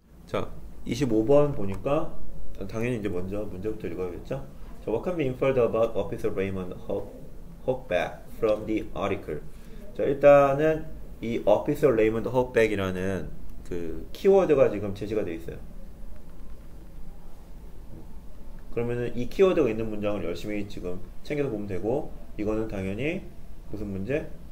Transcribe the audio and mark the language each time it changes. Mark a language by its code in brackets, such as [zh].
[ko] 자, 25번 보니까 당연히 이제 먼저 문제부터 읽어야겠죠? [en] So what can be inferred about Officer Raymond Hogback from the article? [ko] 자, 일단은 이 Officer Raymond Hogback이라는 그 키워드가 지금 제시가 되어 있어요. 그러면은 이 키워드가 있는 문장을 열심히 지금 챙겨서 보면 되고, 이거는 당연히 무슨 문제?